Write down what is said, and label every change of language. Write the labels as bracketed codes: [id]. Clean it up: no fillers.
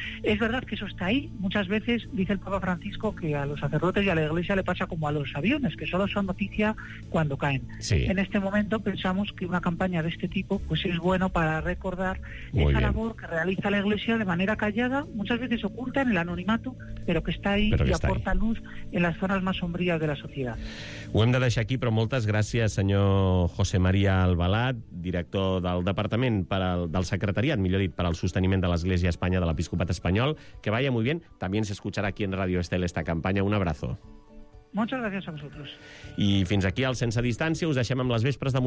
[es] Es verdad que eso está ahí. Muchas veces dice el Papa Francisco que a los sacerdotes y a la Iglesia le pasa como a los aviones, que solo son noticia cuando caen. Sí. En este momento pensamos que una campaña de este tipo pues es bueno para recordar esa labor que realiza la Iglesia de manera callada, muchas veces oculta, en el anonimato, pero que está ahí, que y está aporta ahí luz en las zonas más sombrías de la sociedad. [ca] Ho hem de deixar aquí, però moltes gràcies, senyor José María Albalat, director del Departament del Secretariat, millor dit, per al sosteniment de l'Església Espanya de l'Episcopat Espanyol. [es] Que vaya muy bien. También se escuchará aquí en Radio Estel esta campaña. Un abrazo. Muchas gracias a vosotros. [ca] I fins aquí al Sense Distància. Us deixem amb les vespres de